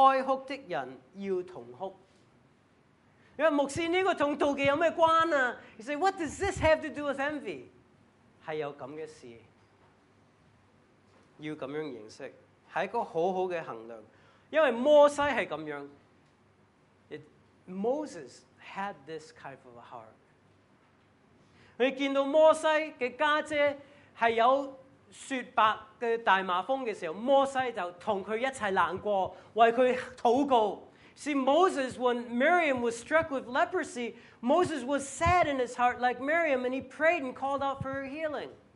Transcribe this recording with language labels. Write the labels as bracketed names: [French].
[Chinese] 与喜乐的人要同乐，与哀哭的人要同哭。牧师,这个跟妒忌有什么关系? [English] You say, what does this have to do with envy? [Chinese] 是有这样的事, 要这样认识, 是一个很好的衡量, 因为摩西是这样, [English] Moses had this kind of a heart. [Chinese] 你见到摩西的姐姐是有雪白的大麻风的时候, 摩西就跟她一起难过, 为她祷告, [English] See, Moses, when Miriam was struck with leprosy, Moses was sad in his heart like Miriam, and he prayed and called out for her healing.